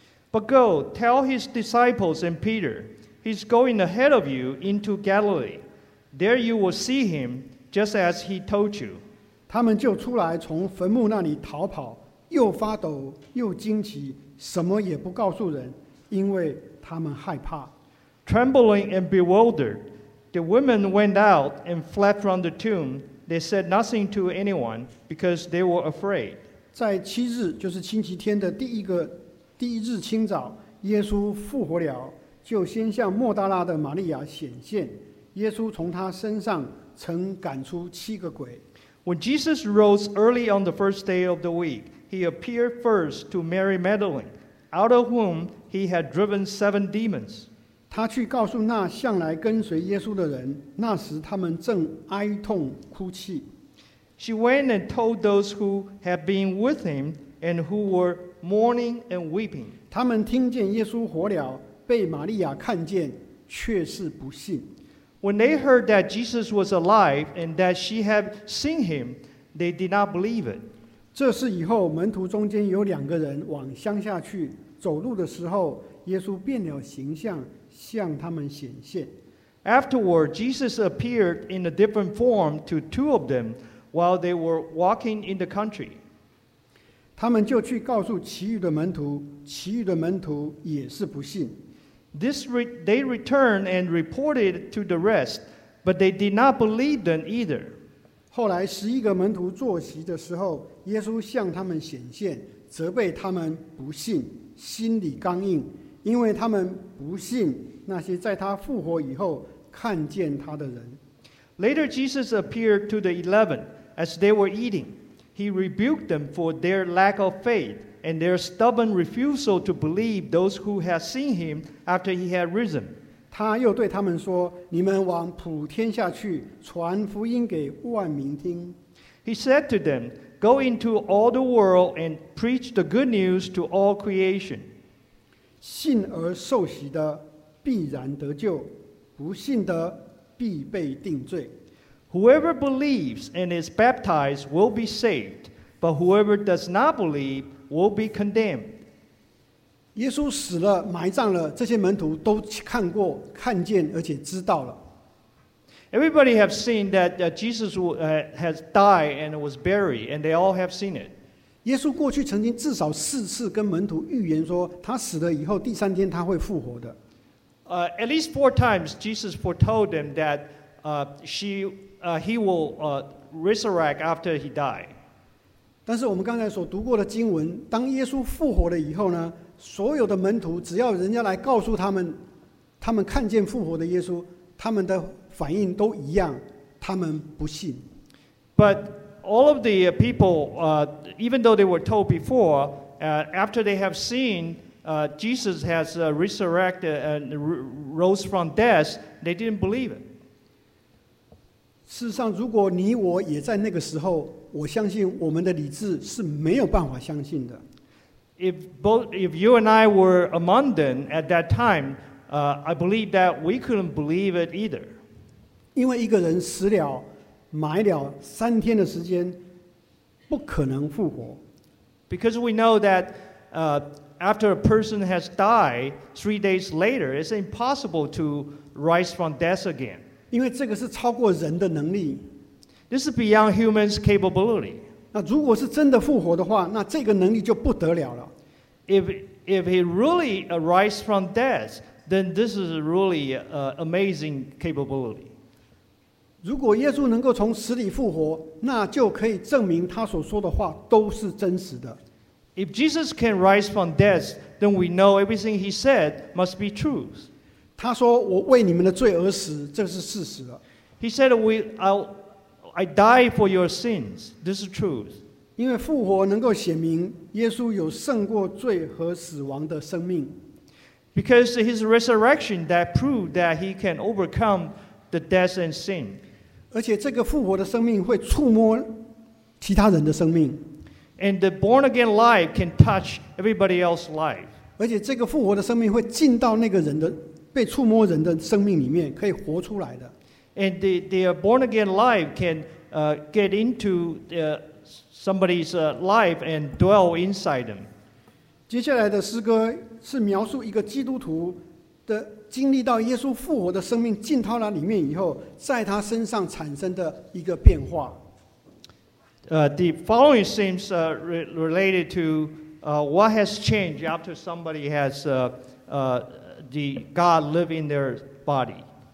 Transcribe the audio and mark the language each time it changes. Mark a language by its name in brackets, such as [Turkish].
[English] But go, tell his disciples and Peter, he's going ahead of you into Galilee. There you will see him, just as he told you. [Chinese] 他们就出来从坟墓那里逃跑，又发抖又惊奇，什么也不告诉人，因为他们害怕。 [English] Trembling and bewildered, the women went out and fled from the tomb. They said nothing to anyone because they were afraid. [Chinese] 在七日，就是星期天的第一日清早，耶稣复活了，就先向莫大拉的玛利亚显现。耶稣从他身上曾赶出七个鬼。 [English] When Jesus rose early on the first day of the week, he appeared first to Mary Magdalene, out of whom he had driven seven demons. [Chinese] 他去告诉那向来跟随耶稣的人，那时他们正哀痛哭泣。 [English] She went and told those who had been with him and who were mourning and weeping. [Chinese] 他们听见耶稣活了，被玛利亚看见，却是不信。 [English] When they heard that Jesus was alive and that she had seen him, they did not believe it. [Chinese] 这事以后，门徒中间有两个人往乡下去，走路的时候，耶稣变了形象，向他们显现。 [English] Afterward, Jesus appeared in a different form to two of them while they were walking in the country. [Chinese] 他们就去告诉其余的门徒，其余的门徒也是不信。 [English] They returned and reported to the rest, but they did not believe them either. [Chinese] 后来十一个门徒坐席的时候，耶稣向他们显现，责备他们不信，心里刚硬，因为他们不信那些在他复活以后看见他的人。 [English] Later, Jesus appeared to the 11 as they were eating. He rebuked them for their lack of faith. And their stubborn refusal to believe those who had seen him after he had risen. [Chinese] 他又对他们说，你们往普天下去，传福音给万民听。 [English] He said to them, Go into all the world and preach the good news to all creation. [Chinese] 信而受洗的必然得救，不信的必被定罪。 [English] Whoever believes and is baptized will be saved, but whoever does not believe will be condemned. [Chinese] 耶稣死了，埋葬了，这些门徒都看过，看见，而且知道了。 [English] Everybody has seen that Jesus has died and was buried, and they all have seen it. [Chinese] 耶稣过去曾经至少四次跟门徒预言说，他死了以后第三天他会复活的。 [English] At least four times Jesus foretold them that he will resurrect after he died. [Chinese] 但是我们刚才所读过的经文，当耶稣复活了以后呢，所有的门徒只要人家来告诉他们，他们看见复活的耶稣，他们的反应都一样，他们不信。 [English] But all of the people, even though they were told before, after they have seen Jesus has resurrected and rose from death, they didn't believe it. [Chinese] 事实上，如果你我也在那个时候，我相信我们的理智是没有办法相信的。 [English] If you and I were among them at that time, I believe that we couldn't believe it either. [Chinese] 因为一个人死了埋了三天的时间不可能复活。 [English] Because we know that after a person has died, 3 days later, it's impossible to rise from death again. [Chinese] 因为这个是超过人的能力。 [English] This is beyond human's capability. [Chinese] 那如果是真的复活的话，那这个能力就不得了了。 [English] If he really arises from death, then this is a really amazing capability. [Chinese] 如果耶稣能够从死里复活，那就可以证明他所说的话都是真实的。 [English] If Jesus can rise from death, then we know everything he said must be truth. [Chinese] 他说：“我为你们的罪而死，这是事实了。” [English] He said, I die for your sins. This is truth. [Chinese] 因为复活能够显明耶稣有胜过罪和死亡的生命。 [English] Because his resurrection that proved that he can overcome the death and sin. [Chinese] 而且这个复活的生命会触摸其他人的生命。 [English] And the born again life can touch everybody else's life. [Chinese] 而且这个复活的生命会进到那个人的被触摸人的生命里面，可以活出来的。 [English] And the born again life can get into somebody's life and dwell inside them. [Chinese] 接下来的诗歌是描述一个基督徒的经历到耶稣复活的生命浸透了里面以后，在他身上产生的一个变化。 [English] The following seems related to what has changed after somebody has the God live in their body.